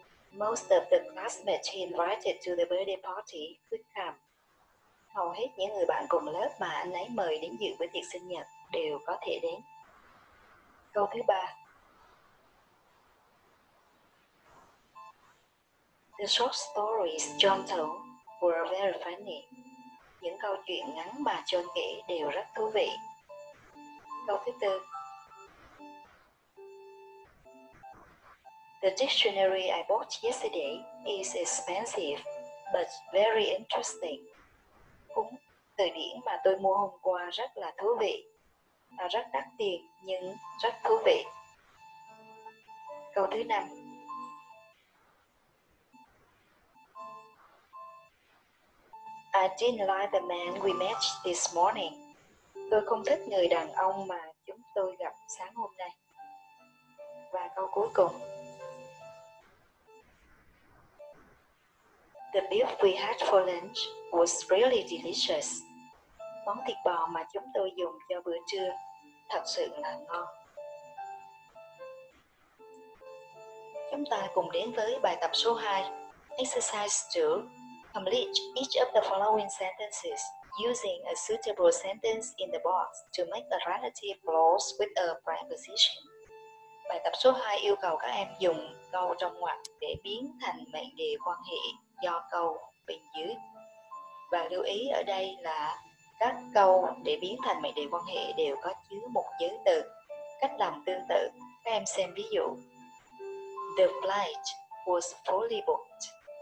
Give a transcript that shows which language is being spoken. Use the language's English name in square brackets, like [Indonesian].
[English] Most of the classmates he invited to the birthday party could come. [Vietnamese] Hầu hết những người bạn cùng lớp mà anh ấy mời đến dự bữa tiệc sinh nhật đều có thể đến. Câu thứ 3. [English] The short stories John told were very funny. [Vietnamese] Những câu chuyện ngắn mà John kể đều rất thú vị. Câu thứ 4. [English] The dictionary I bought yesterday is expensive but very interesting. [Vietnamese] Cuốn từ điển mà tôi mua hôm qua rất là thú vị. Nó rất đắt tiền nhưng rất thú vị. Câu thứ 5. [English] I didn't like the man we met this morning. [Vietnamese] Tôi không thích người đàn ông mà chúng tôi gặp sáng hôm nay. Và câu cuối cùng. [English] The beef we had for lunch was really delicious. [Vietnamese] Món thịt bò mà chúng tôi dùng cho bữa trưa thật sự là ngon. Chúng ta cùng đến với bài tập số 2. [English] Exercise 2. Complete each of the following sentences using a suitable sentence in the box to make a relative clause with a preposition. [Vietnamese] Bài tập số 2 yêu cầu các em dùng câu trong ngoặc để biến thành mệnh đề quan hệ do câu bên dưới. Và lưu ý ở đây là các câu để biến thành mệnh đề quan hệ đều có chứa một giới từ. Cách làm tương tự, các em xem ví dụ. [English] The flight was fully booked.